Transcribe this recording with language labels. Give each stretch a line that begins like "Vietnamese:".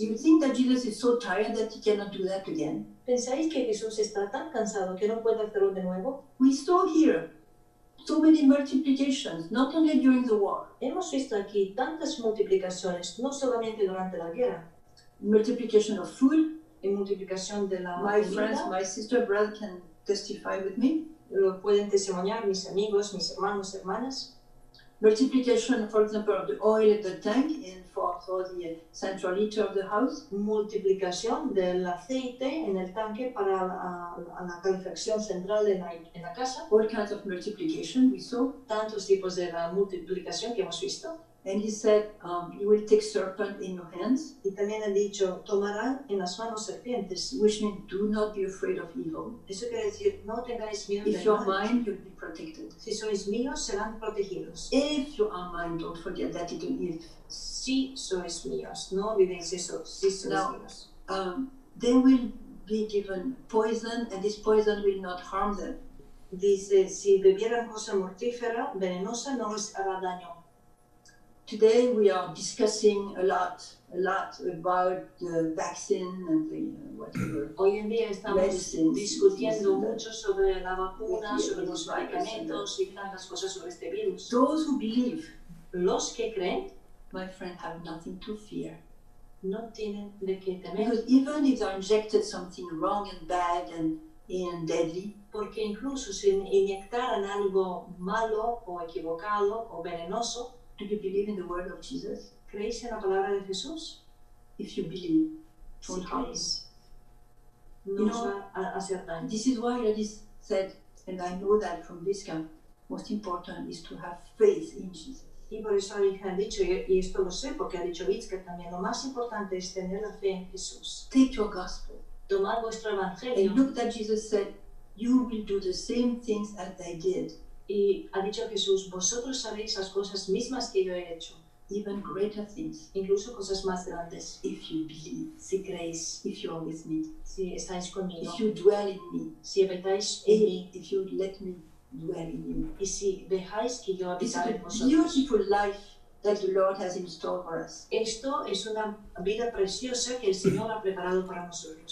English: You think that Jesus is so tired that he cannot do that again?
Spanish: ¿Pensáis que Jesús está tan cansado que no puede hacerlo de nuevo?
English: We saw here so many multiplications, not only during the war.
Spanish: Hemos visto aquí tantas multiplicaciones, no solamente durante la guerra.
English: Multiplication of food.
Spanish: En multiplicación de la comida.
English: My friends, my sister, brother can testify with me.
Spanish: Lo pueden testimoniar mis amigos, mis hermanos, hermanas.
English: Multiplication, for example, of the oil in the tank and for the central heater of the house.
Spanish: Multiplicación del aceite en el tanque para la calefacción central en la casa.
English: All kinds of multiplication we saw.
Spanish: Tantos tipos de la multiplicación que hemos visto.
English: And he said, you will take serpent in your hands.
Spanish: Y también ha dicho, tomarán en las manos serpientes.
English: Which means, do not be afraid of evil.
Spanish: Eso quiere decir, no tengáis miedo de mal.
English: If you are mine, you'll be protected.
Spanish: Si sois míos, serán protegidos.
English: If you are mine, don't forget that it is.
Spanish: Si sois míos, no olvidéis eso. Si sois
English: now,
Spanish: míos.
English: They will be given poison, and this poison will not harm them.
Spanish: Dice, si bebieran cosa mortífera, venenosa, no les hará daño.
English: Today we are discussing a lot about the vaccine and the whatever.
Spanish: Hoy en día estamos discutiendo mucho sobre la vacuna, sobre los medicamentos y tantas cosas sobre este virus.
English: Those who believe,
Spanish: los que creen,
English: my friend, have nothing to fear.
Spanish: No tienen de qué temer.
English: Because even if they're injected something wrong and bad and deadly,
Spanish: porque incluso si inyectaran algo malo o equivocado o venenoso,
English: do you believe in the word of Jesus?
Spanish: ¿Crees en la palabra de Jesús?
English: If you believe, won't harm.
Spanish: No va a hacer daño.
English: This is why Jesus said, and I know that from this camp, most important is to have faith in Jesus.
Spanish: Y por eso han dicho, y esto lo sé porque ha dicho Witzke también, lo más importante es tener la fe en Jesús.
English: Take your gospel.
Spanish: Tomar vuestro evangelio.
English: And look that Jesus said, you will do the same things as they did.
Spanish: Y ha dicho Jesús, vosotros haréis las cosas mismas que yo he hecho.
English: Even greater things.
Spanish: Incluso cosas más grandes.
English: If you believe.
Spanish: Si creéis.
English: If you are with me.
Spanish: Si estáis conmigo.
English: If you dwell in me.
Spanish: Si habitáis en mí.
English: If you let me.
Spanish: Y si dejáis que yo habite en vosotros.
English: This is a beautiful life that the Lord has in store for us.
Spanish: Esto es una vida preciosa que el Señor ha preparado para nosotros.